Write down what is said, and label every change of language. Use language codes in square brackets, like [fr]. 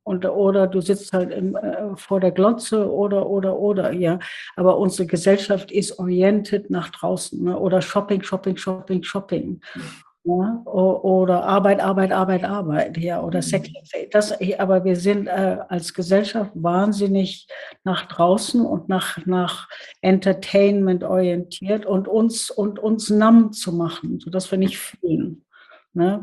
[de] Und oder du sitzt halt vor der Glotze oder, ja. Aber unsere Gesellschaft ist [en] oriented [de] nach draußen, ne? Oder Shopping, Shopping, Shopping, Shopping. Ja, oder Arbeit, Arbeit, Arbeit, Arbeit, ja, oder Sex. Das, aber wir sind als Gesellschaft wahnsinnig nach draußen und nach Entertainment orientiert und uns [en] numb [de] zu machen, sodass wir nicht fühlen. Ne?